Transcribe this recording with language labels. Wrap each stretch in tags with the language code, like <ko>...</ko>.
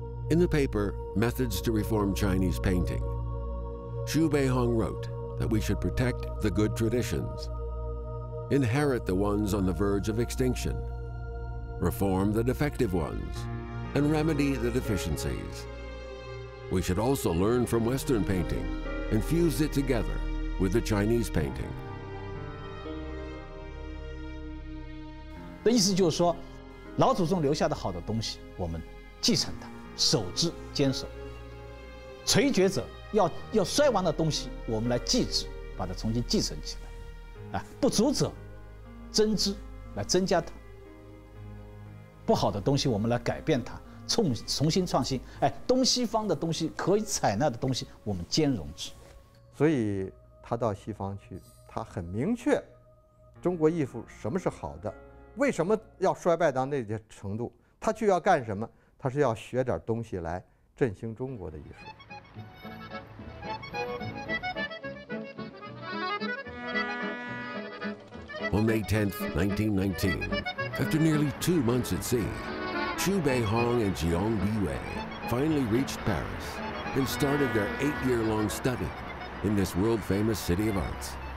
<en>In the paper, Methods to Reform Chinese Painting, Xu Beihong wrote that we should protect the good traditions, inherit the ones on the verge of extinction, reform the defective ones, and remedy the deficiencies. We should also learn from Western painting and fuse it together with the Chinese painting.</en> <zh>的意思就是说，老祖宗留下的好的东西，我们继承它，守之坚守。垂绝者要衰亡的东西，我们来继之，把它重新继承起来。啊，不足者增之，来增加它。不好的东西我们来改变它，重新创新，哎，东西方的东西可以采纳的东西我们兼容之。所以他到西方去，他很明确中国艺术什么是好的，为什么要衰败到那些程度，他去要干什么，他是要学点东西来振兴中国的艺术。</zh> <en>On May 10th, 1919, after nearly 2 months at sea, Xu Beihong and Jiang Biwei finally reached Paris and started their 8-year-long study in this world-famous city of arts.</en>